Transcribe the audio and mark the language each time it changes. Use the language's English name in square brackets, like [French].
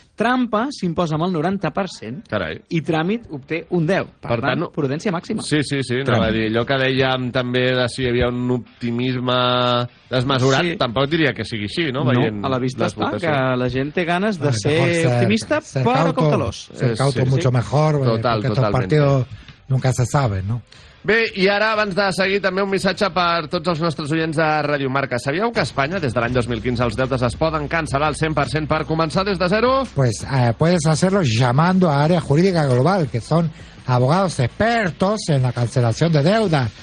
[Catalan] Trampa s'imposa amb el 90%. Carai. I tràmit obté un 10%. Per tant, prudència màxima. Sí, sí, sí. Anava a dir, allò que dèiem també de si hi havia un optimisme desmesurat, sí. Tampoc diria que sigui així, no? Veient a la vista està, votacions. Que la gent té ganes de ser optimista, però com calós. [Spanish] Ser cauto mucho mejor, porque estos partidos nunca se saben, ¿no? [Catalan] Bé, i ara, abans de seguir, també un missatge per tots els nostres oients de Ràdio Marca. Sabíeu que a Espanya, des de l'any 2015, els deutes es poden cancel·lar al 100% per començar des de zero? [Spanish] Pues puedes hacerlo llamando a Área Jurídica Global, que son abogados expertos en la cancelación de deuda.